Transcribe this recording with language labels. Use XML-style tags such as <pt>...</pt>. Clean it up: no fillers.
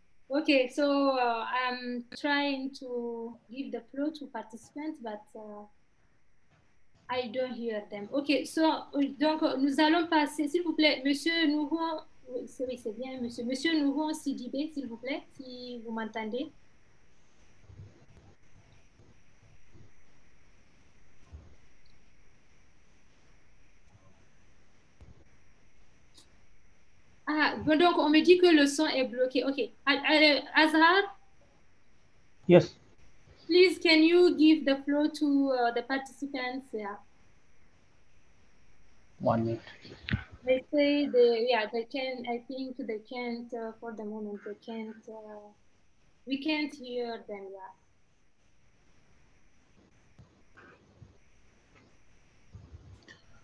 <en>Okay, so I'm trying to give the floor to participants, but I don't hear them. Okay, so</en> <fr>donc nous allons passer, s'il vous plaît, Monsieur Nouron. Oui, c'est bien, Monsieur. Monsieur Nouron Sidibé, s'il vous plaît, si vous m'entendez. Ah, donc on me dit que le son est bloqué. Ok. Azhar?</fr> <en>Yes. Please, can you give the floor to the participants? Yeah. 1 minute. They say they can. I think they can't for the moment. They can't. We can't hear them. Yeah.</en>